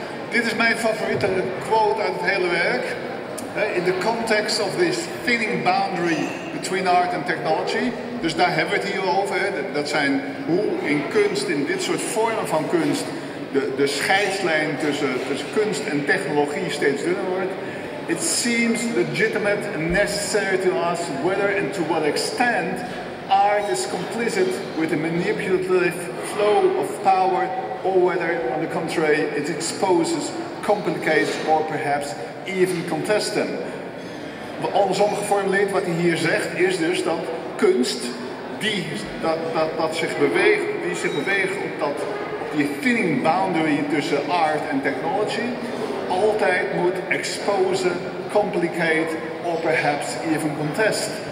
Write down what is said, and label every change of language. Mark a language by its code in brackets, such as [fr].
[nl] Dit is mijn favoriete quote uit het hele werk. [en] In the context of this thinning boundary between art and technology. [nl] Dus daar hebben we het hier over. Dat zijn hoe in kunst, in dit soort vormen van kunst, de scheidslijn tussen kunst en technologie steeds dunner wordt. [en] It seems legitimate and necessary to ask whether and to what extent art is complicit with the manipulative flow of power, or whether, on the contrary, it exposes, complicates, or perhaps even contests them. [nl] Andersom geformuleerd, wat hij hier zegt, is dus dat kunst, die zich beweegt op die [en] thinning boundary [nl] tussen art en technology, altijd moet exposen, [en] complicate, or perhaps even contest.